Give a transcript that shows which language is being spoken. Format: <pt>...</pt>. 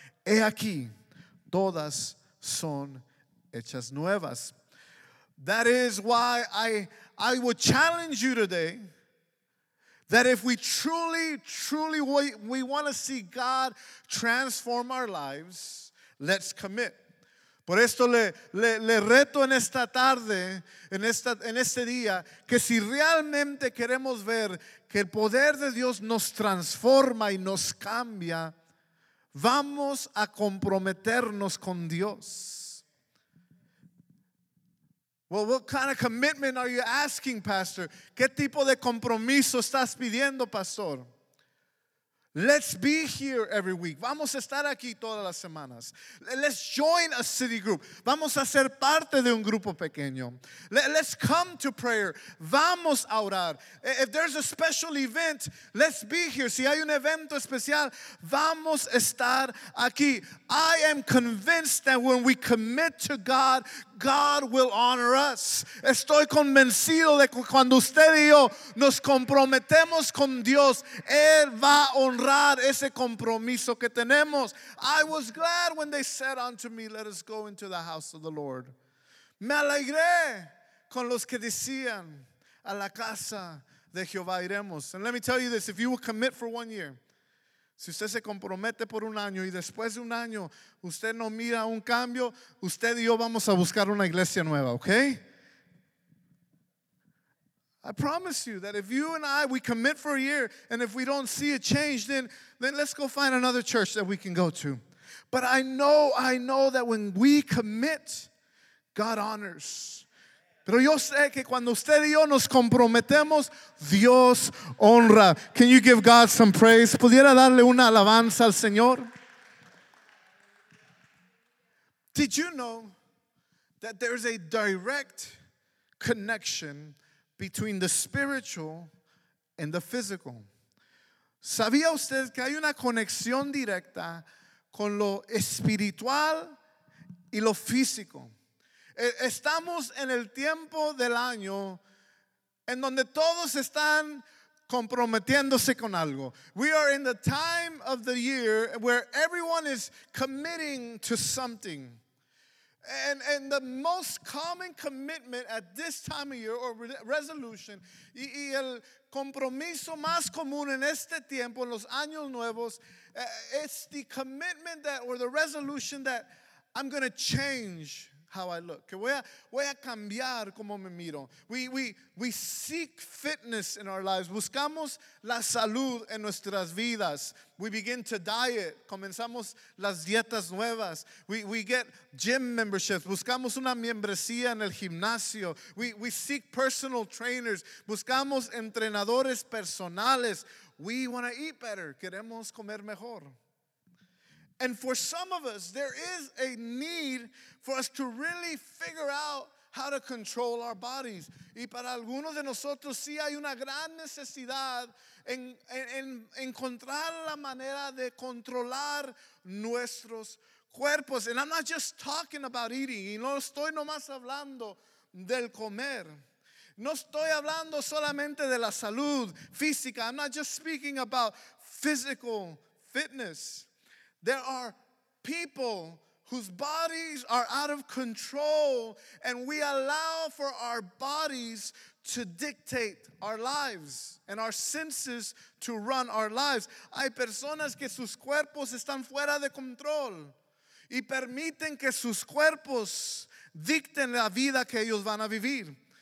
<es>He aquí, todas son hechas nuevas."</es> <en>That is why I would challenge you today that if we truly, truly we want to see God transform our lives, let's commit.</en> <es>Por esto le reto en esta tarde, en este día, que si realmente queremos ver que el poder de Dios nos transforma y nos cambia, vamos a comprometernos con Dios.</es> <en>Well, what kind of commitment are you asking, Pastor?</en> <es>¿Qué tipo de compromiso estás pidiendo, Pastor?</es> <en>Let's be here every week.</en> <es>Vamos a estar aquí todas las semanas.</es> <en>Let's join a city group.</en> <es>Vamos a ser parte de un grupo pequeño.</es> <en>Let's come to prayer.</en> <es>Vamos a orar.</es> <en>If there's a special event, let's be here.</en> <es>Si hay un evento especial, vamos a estar aquí.</es> <en>I am convinced that when we commit to God, God will honor us.</en> <es>Estoy convencido de que cuando usted y yo nos comprometemos con Dios, Él va a honrar ese compromiso que tenemos.</es> <en>I was glad when they said unto me, let us go into the house of the Lord.</en> <es>Me alegré con los que decían, a la casa de Jehová iremos.</es> <en>And let me tell you this, if you will commit for 1 year,</en> <es>si usted se compromete por un año y después de un año usted no mira un cambio, usted y yo vamos a buscar una iglesia nueva, okay?</es> <en>I promise you that if you and I, we commit for a year, and if we don't see a change, then let's go find another church that we can go to. But I know that when we commit, God honors.</en> <es>Pero yo sé que cuando usted y yo nos comprometemos, Dios honra.</es> <en>Can you give God some praise?</en> <es>¿Pudiera darle una alabanza al Señor?</es> <en>Did you know that there's a direct connection between the spiritual and the physical?</en> <es>¿Sabía usted que hay una conexión directa con lo espiritual y lo físico? Estamos en el tiempo del año en donde todos están comprometiéndose con algo.</es> <en>We are in the time of the year where everyone is committing to something. And the most common commitment at this time of year, or resolution,</en> <es>y el compromiso más común en este tiempo, en los años nuevos,</es> <en>it's the commitment that, or the resolution that I'm going to change how I look.</en> <es>Que voy a cambiar como me miro.</es> <en>We seek fitness in our lives.</en> <es>Buscamos la salud en nuestras vidas.</es> <en>We begin to diet.</en> <es>Comenzamos las dietas nuevas.</es> <en>We get gym memberships.</en> <es>Buscamos una membresía en el gimnasio.</es> <en>We seek personal trainers.</en> <es>Buscamos entrenadores personales.</es> <en>We want to eat better.</en> <es>Queremos comer mejor.</es> <en>And for some of us, there is a need for us to really figure out how to control our bodies.</en> <es>Y para algunos de nosotros sí hay una gran necesidad en encontrar la manera de controlar nuestros cuerpos.</es> <en>And I'm not just talking about eating.</en> <es>Y no estoy nomás hablando del comer. No estoy hablando solamente de la salud física.</es> <en>I'm not just speaking about physical fitness. There are people whose bodies are out of control, and we allow for our bodies to dictate our lives and our senses to run our lives.</en> <es>Hay personas que sus cuerpos están fuera de control y permiten que sus cuerpos dicten la vida que ellos van a vivir.</es>